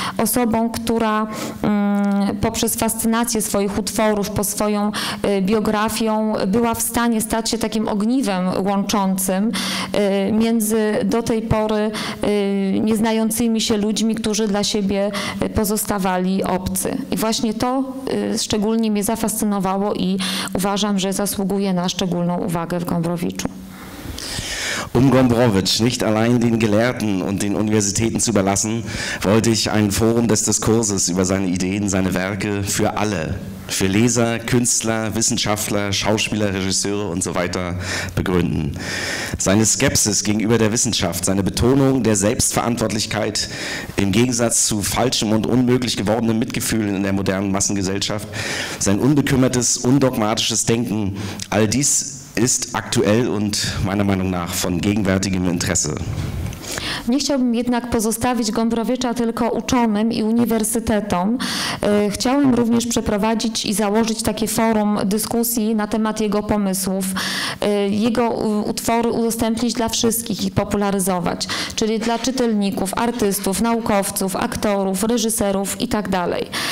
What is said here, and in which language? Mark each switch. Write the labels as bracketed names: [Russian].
[Polish] Osobą, która poprzez fascynację swoich utworów, po swoją biografią, była w stanie stać się takim ogniwem łączącym między do tej pory nieznającymi się ludźmi, którzy dla siebie pozostawali obcy. I właśnie to szczególnie mnie zafascynowało i uważam, że zasługuje na szczególną uwagę w Gombrowiczu. [German] Gombrowicz nicht allein den Gelehrten und den Universitäten zu überlassen, wollte ich ein Forum des Diskurses über seine Ideen, seine Werke für alle, für Leser, Künstler, Wissenschaftler, Schauspieler, Regisseure und so weiter begründen. Seine Skepsis gegenüber der Wissenschaft, seine Betonung der Selbstverantwortlichkeit im Gegensatz zu falschem und unmöglich gewordenen Mitgefühlen in der modernen Massengesellschaft, sein unbekümmertes, undogmatisches Denken, all dies ist aktuell und meiner Meinung nach von gegenwärtigem Interesse. [Polish] Nie chciałbym jednak pozostawić Gombrowicza tylko uczonym i uniwersytetom. Chciałem również przeprowadzić i założyć takie forum dyskusji na temat jego pomysłów, jego utwory udostępnić dla wszystkich i popularyzować, czyli dla czytelników, artystów, naukowców, aktorów, reżyserów i tak dalej.